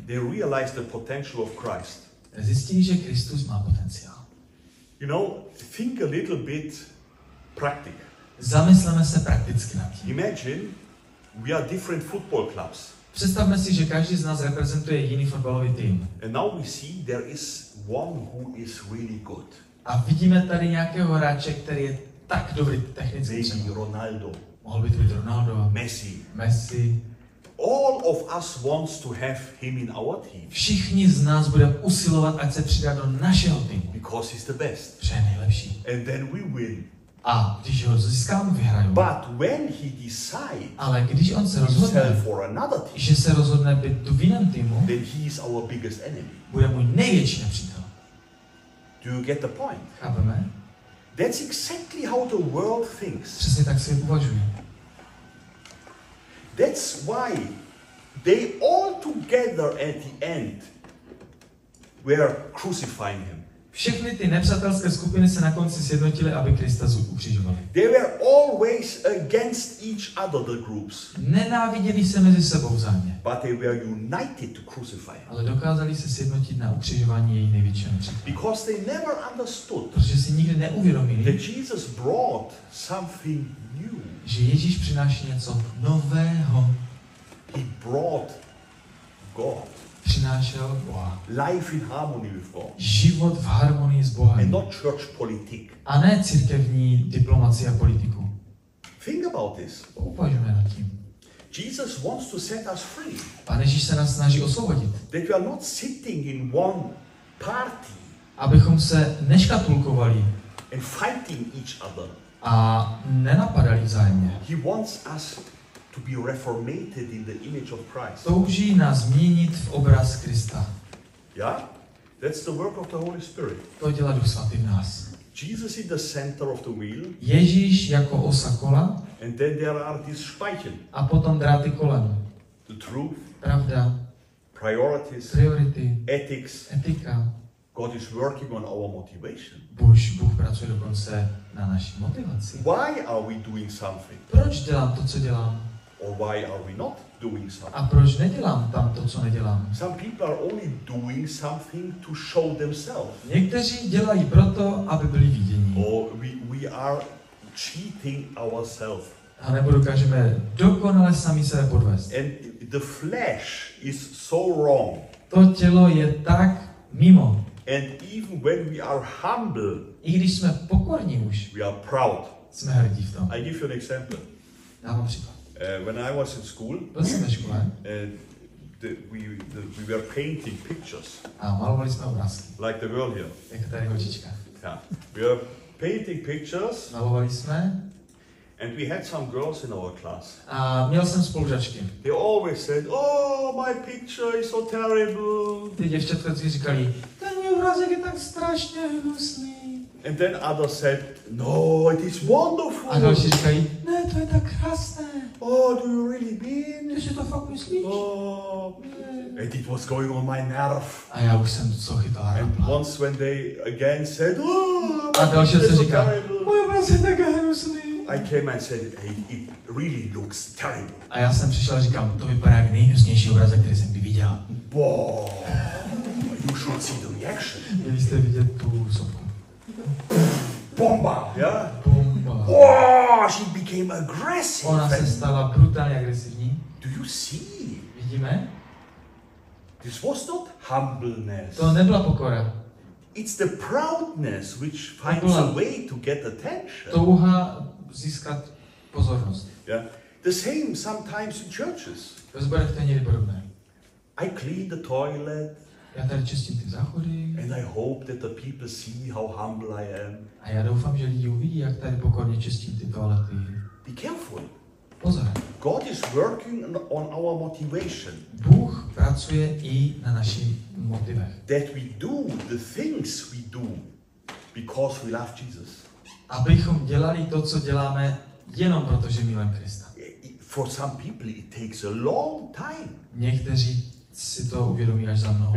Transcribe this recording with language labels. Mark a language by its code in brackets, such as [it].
[en] they realized the potential of Christ. [cs] Zjistili, že Kristus má potenciál. [en] You know, think a little bit practic. [cs] Zamysleme se prakticky nad tím. [en] Imagine we are different football clubs. [cs] Představme si, že každý z nás reprezentuje jiný fotbalový tým. [en] And now we see there is one who is really good. [cs] A vidíme tady nějakého hráče, který je tak dobrý technicky. [en] Maybe Ronaldo. [cs] Mohl by to být Ronaldo. [en] Messi. [cs] Messi. [en] All of us wants to have him in our team. [cs] Všichni z nás budeme usilovat, ať se přidá do našeho týmu. [en] Because he's the best. [cs] Že je nejlepší. [en] And then we win. [cs] A když ho získám, vyhraju. [en] But when he decides, [cs] ale když on se rozhodne, [en] for another team, [cs] že se rozhodne být v jiném týmu, [en] then he is our biggest enemy. [cs] Bude můj největší nepřítel. [en] Do you get the point? [cs] Chápeme? [en] That's exactly how the world thinks. [cs] Přesně tak si uvažuje. [en] That's why they all together at the end were crucifying him. [cs] Všechny ty nepřátelské skupiny se na konci sjednotily, aby Krista ukřižovali. [en] They were always against each other, the groups. [cs] Nenáviděli se mezi sebou vzájemně. [en] But they were united to crucify him. [cs] Ale dokázali se sjednotit na ukřižování jejich největšího nepřítele. [en] Because they never understood. [cs] Protože si nikdy neuvědomili. [en] That Jesus brought something new. [cs] Že Ježíš přináší něco nového. [en] He brought God. [cs] Přinášel Boha. [en] Life in harmony with God. [cs] Život v harmonii s Bohem. [en] And not church politic. [cs] A ne církevní diplomacie a politiku. [en] Think about this. [cs] Uvažujeme nad tím. [en] Jesus wants to set us free. [cs] Pane Ježíš se nás snaží osvobodit. [en] That we are not sitting in one party. [cs] Abychom se neškatulkovali. [en] And fighting each other. [cs] A nenapadali vzájemně. [en] He wants us to be reformated in the image of Christ. [cs] Touží nás měnit v obraz Krista. [en] Yeah? That's the work of the Holy Spirit. [cs] To dělá Duch Svatý v nás. [en] Jesus is the center of the wheel. [cs] Ježíš jako osa kola. [en] And then there are these spikes. [cs] A potom dráty kolem. [en] The truth. [cs] Pravda. [en] Priorities. [cs] Priority. [en] Ethics. [cs] Etika. [en] God is working on our motivation. [cs] Bůh pracuje dokonce na naší motivaci. [en] Why are we doing something? [cs] Proč dělám to, co dělám? [en] Or why are we not doing something? [cs] A proč nedělám tam to, co nedělám? [en] Some people are only doing something to show themselves. [cs] Někteří dělají proto, aby byli viděni. [en] Or we are cheating ourselves. [cs] A nebo dokážeme dokonale sami sebe podvést. [en] And the flesh is so wrong. [cs] To tělo je tak mimo. [en] And even when we are humble, [cs] i když jsme pokorní už, [en] we are proud. [cs] Jsme hrdí v tom. [en] I give you an example. [cs] Dávám příklad. [en] When I was in school, [cs] byl jsem ve škole, [en] we were painting pictures. [cs] A malovali jsme obrázky. [en] Like the girl here. [cs] Jako tady holčička. [en] Yeah. We were painting pictures. [cs] Malovali jsme. [en] And we had some girls in our class. [cs] A měl jsem spolužačky. [en] They always said, "Oh, my picture is so terrible." [cs] Ty děvčatka vždycky říkali, ten můj obrázek je tak strašně hnusný. [en] And then others said, "No, it is wonderful." [cs] A další říkají, ne, to je tak krásné. [en] Oh, do you really mean? [cs] Ty si to fakt myslíš? [en] Oh, and it was going on my nerve. [cs] A já už jsem to chytal rempla. [en] And once when they again said, "Oh, [cs] a další se říká, můj obrázek je tak hnusný." [en] I came and said, "Hey, it really looks terrible." [cs] A já jsem přišel a říkám, to vypadá jak nejhnusnější obrázek, který jsem kdy viděl. [en] Wow, you should see the reaction. [cs] Měli jste vidět tu sobku. [en] Bomba, yeah? [cs] Bomba. [en] Wow, she became aggressive. [cs] Ona se stala brutálně agresivní. [en] Do you see? [cs] Vidíme? [en] This was not humbleness. [cs] To nebyla pokora. [en] It's the proudness which finds a way to get attention. [cs] Touha získat pozornost. [en] Yeah. The same sometimes in churches. [cs] Ve sborech to je někdy podobné. [en] I clean the toilet. [cs] Já tady čistím ty záchody. [en] And I hope that the people see how humble I am. [cs] A já doufám, že lidi uvidí, jak tady pokorně čistím ty toalety. [en] Be careful. [cs] Pozor. [en] God is working on our motivation. [cs] Bůh pracuje i na našich motivech. [en] That we do the things we do because we love Jesus. [cs] Abychom dělali to, co děláme, jenom protože milujeme Krista. [en] For some people it takes a long time. [cs] Někteří si to uvědomí až za mnoho.